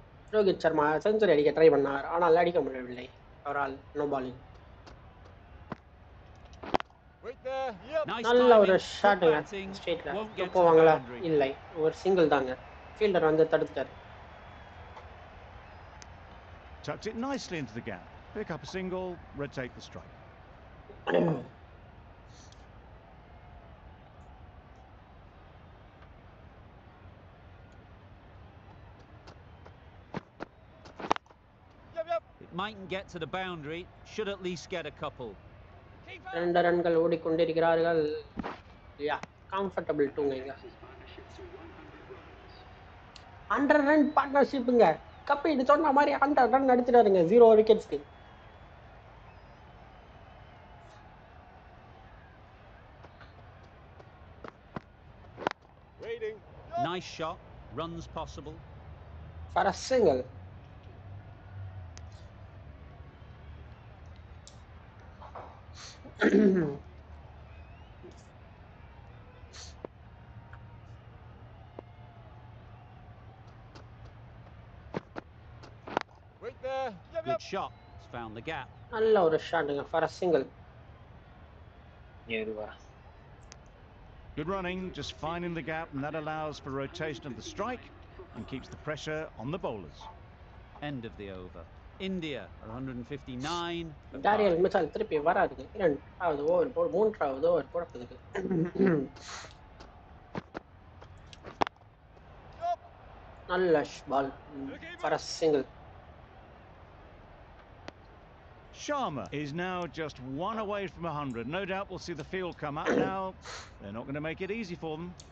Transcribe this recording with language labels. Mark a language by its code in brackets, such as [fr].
[ta] Rohit Sharma century அடிக்க try பண்ணார், ஆனால் அடிக்க முடியவில்லை அவரால். நோ பாலிங். நல்ல ஒரு ஷாட்டுங்க ஸ்ட்ரைட்ல, போவாங்களா இல்லை, ஒரு சிங்கிள் தாங்க. ஃபீல்டர் வந்து தடுத்தார். [en] Tucked it nicely into the gap. Pick up a single, rotate the strike. Mightn't get to the boundary, should at least get a couple. [ta] ரெண்டு ரன்கள் ஓடிக்கொண்டிருக்கிறார்கள். யா கம்ஃபர்டபிள் தூங்குங்க. 100 ரன் பார்ட்னர்ஷிப்ங்க, கப் இது சொன்ன மாதிரி 100 run அடிச்சிடாருங்க. 0 wickets Ki [en] Waiting. Nice shot, runs possible for a single. Right there. Good shot. found the gap. [ta] நல்ல ஒரு [en] Shot for a single. [ta] ஏறுவா. [en] Good running, just finding the gap, and that allows for rotation of the strike and keeps the pressure on the bowlers. End of the over. India 159. [ta] Daryl Mitchell திருப்பி வராதுங்க. இரண்டாவது over போடு, மூன்றாவது over போடுறதுக்கு. நல்ல [en] Ball for a single. Sharma is now just one away from 100. No doubt we'll see the field come up now. They're not going to make it easy for them.